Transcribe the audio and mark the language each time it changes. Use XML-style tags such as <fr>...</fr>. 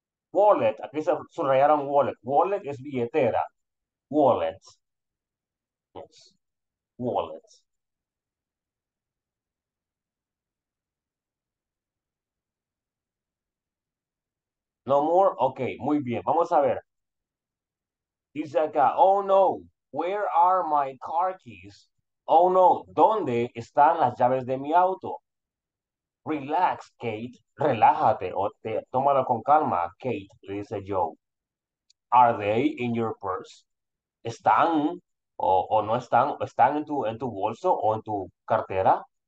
<es>Wallet, aquí se subrayaron wallet. Wallet es billetera. Wallet. Yes. Wallet.</es> <en>No more?</en> <es>Okay, muy bien. Vamos a ver. Dice acá,</es> <en>oh no, where are my car keys?</en> <es>Oh no, ¿dónde están las llaves de mi auto?</es> <en>Relax, Kate.</en> <es>Relájate, o te, tómalo con calma, Kate, le dice Joe.</es> <en>Are they in your purse?</en> <es>¿Están o no están? ¿Están en tu bolso o en tu cartera?</es>